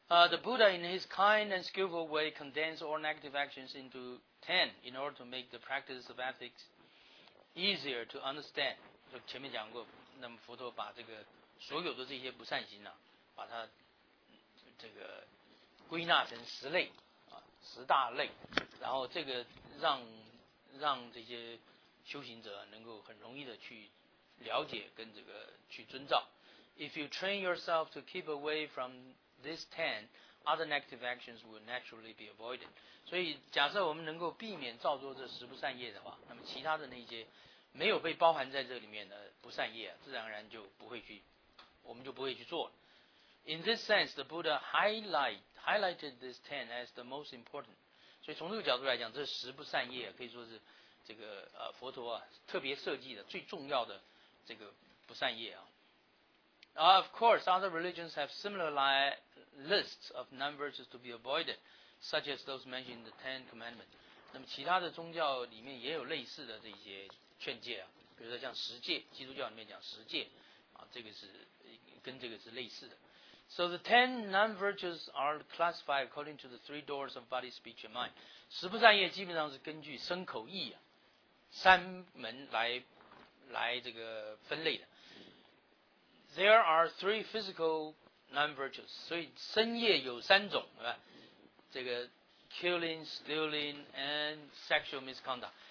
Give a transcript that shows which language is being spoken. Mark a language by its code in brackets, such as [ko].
[en] The Buddha in his kind and skillful way condense all negative actions into 10 in order to make the practice of ethics easier to understand. [zh] 就前面讲过，那么佛陀把这个所有的这些不善行啊，把它这个归纳成十类啊，十大类，然后这个让这些修行者能够很容易的去了解跟这个去遵照。 [en] If you train yourself to keep away from this 10, other negative actions will naturally be avoided. [zh] 所以假设我们能够避免造作这十不善业的话，那么其他的那些没有被包含在这里面的不善业自然而然就不会去，我们就不会去做了。 [en] In this sense, the Buddha highlighted this 10 as the most important. [zh] 所以从这个角度来讲，这十不善业可以说是这个佛陀啊特别设计的最重要的这个不善业啊。 [en] Of course, other religions have similar lists of non-virtues to be avoided, such as those mentioned in the Ten Commandments. [zh] 那么其他的宗教里面也有类似的这些劝诫啊，比如说像十戒，基督教里面讲十戒啊，这个是跟这个是类似的。 [en] So the 10 non-virtues are classified according to the three doors of body, speech, and mind. [zh] 十不善业基本上是根据身口意啊三门来这个分类的。 [en] There are three physical non-virtues. [zh] 所以身业有三种，对吧？ [en] 这个 killing, stealing, and sexual misconduct.